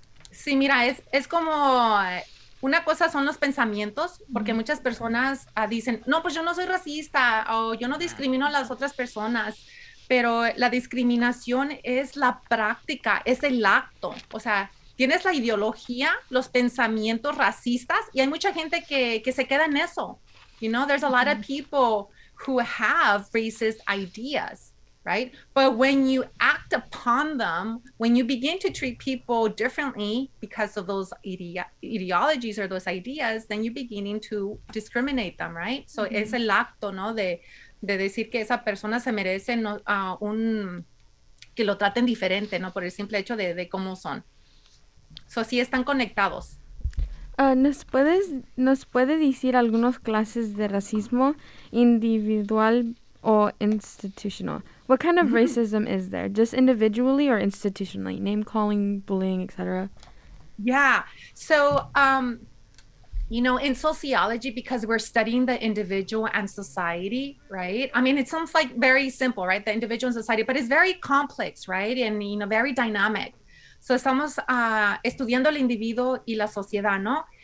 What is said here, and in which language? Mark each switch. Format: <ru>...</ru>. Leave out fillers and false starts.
<es>Sí, mira, es como una cosa son los pensamientos, porque muchas personas dicen, no, pues yo no soy racista, o yo no discrimino a las otras personas, pero la discriminación es la práctica, es el acto. O sea, tienes la ideología, los pensamientos racistas, y hay mucha gente que se queda en eso.</es> <en>You know, there's a lot of people who have racist ideas, right? But when you act upon them, when you begin to treat people differently because of those ideologies or those ideas, then you're beginning to discriminate them, right?</en> <es>So mm-hmm. es el acto, ¿no? De decir que esa persona se merece no, un que lo traten diferente, ¿no? Por el simple hecho de cómo son. So sí están conectados. ¿Nos puede decir algunas clases de racismo individual o institucional?</es> <en>What kind of racism is there? Just individually or institutionally? Name calling, bullying, etc. Yeah. So, you know, in sociology, because we're studying the individual and society, right? I mean, it sounds like very simple, right? The individual and society, but it's very complex, right? And, you know, very dynamic.</en> <es>So estamos estudiando el individuo y la sociedad, ¿no?</es>